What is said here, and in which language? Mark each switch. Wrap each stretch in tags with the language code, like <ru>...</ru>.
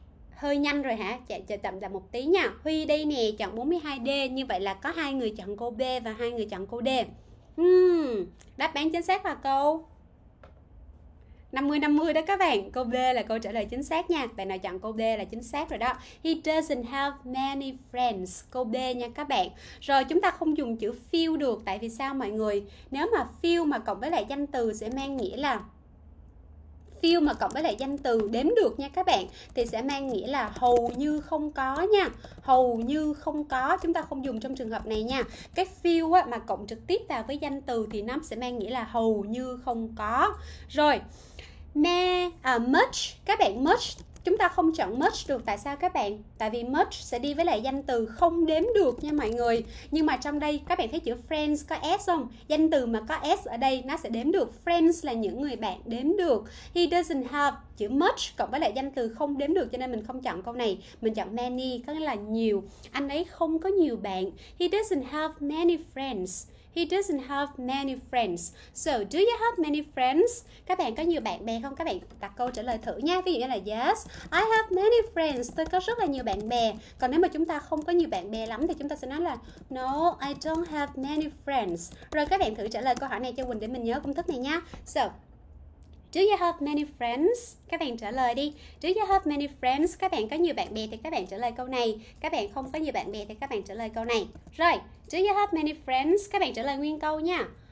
<vi>Hơi nhanh rồi hả? Chạy chậm lại một tí nha. Huy đây nè, chọn 42D. Như vậy là có hai người chọn câu B và hai người chọn câu D. Đáp án chính xác là câu 50-50 đó các bạn. Câu B là câu trả lời chính xác nha. Bạn nào chọn câu B là chính xác rồi đó.</vi> <en>He doesn't have many friends.</en> <vi>Câu B nha các bạn. Rồi chúng ta không dùng chữ feel được. Tại vì sao mọi người? Nếu mà feel mà cộng với lại danh từ sẽ mang nghĩa là feel mà cộng với lại danh từ đếm được nha các bạn thì sẽ mang nghĩa là hầu như không có nha. Hầu như không có, chúng ta không dùng trong trường hợp này nha. Cái feel á, mà cộng trực tiếp vào với danh từ thì nó sẽ mang nghĩa là hầu như không có. Rồi. Much, các bạn much, chúng ta không chọn much được. Tại sao các bạn? Tại vì much sẽ đi với lại danh từ không đếm được nha mọi người. Nhưng mà trong đây các bạn thấy chữ friends có s không? Danh từ mà có s ở đây nó sẽ đếm được. Friends là những người bạn đếm được.</vi> <en>He doesn't have</en> <vi>chữ much cộng với lại danh từ không đếm được cho nên mình không chọn câu này. Mình chọn many, có nghĩa là nhiều. Anh ấy không có nhiều bạn.</vi> <en>He doesn't have many friends. He doesn't have many friends. So, do you have many friends?</en> <vi>Các bạn có nhiều bạn bè không? Các bạn đặt câu trả lời thử nha. Ví dụ như là</vi> <en>yes, I have many friends.</en> <vi>Tôi có rất là nhiều bạn bè. Còn nếu mà chúng ta không có nhiều bạn bè lắm thì chúng ta sẽ nói là</vi> <en>no, I don't have many friends.</en> <vi>Rồi các bạn thử trả lời câu hỏi này cho Quỳnh để mình nhớ công thức này nha.</vi> <en>So, do you have many friends?</en> <vi>Các bạn trả lời đi.</vi> <en>Do you have many friends?</en> <vi>Các bạn có nhiều bạn bè thì các bạn trả lời câu này. Các bạn không có nhiều bạn bè thì các bạn trả lời câu này. Rồi,</vi> <en>do you have many friends?</en> <vi>Các bạn trả lời nguyên câu nha.</vi>